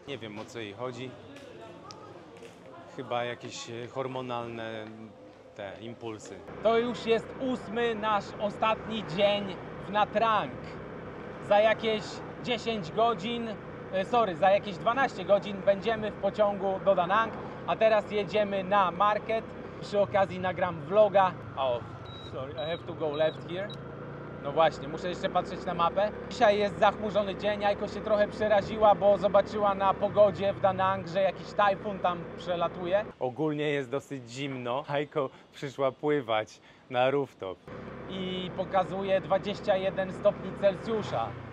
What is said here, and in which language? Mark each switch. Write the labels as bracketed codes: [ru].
[pl] Nie wiem, o co jej chodzi. Chyba jakieś hormonalne te impulsy. To już jest ósmy nasz ostatni dzień w Natrunk. Za jakieś 10 godzin, za jakieś 12 godzin będziemy w pociągu do Da Nang, a teraz jedziemy na market. Przy okazji nagram vloga. [en] Oh, sorry, I have to go left here. [pl] No właśnie, muszę jeszcze patrzeć na mapę. Dzisiaj jest zachmurzony dzień, Jajko się trochę przeraziła, bo zobaczyła na pogodzie w Da Nang, że jakiś tajfun tam przelatuje. Ogólnie jest dosyć zimno, Jajko przyszła pływać na rooftop. I pokazuje 21 stopni Celsjusza.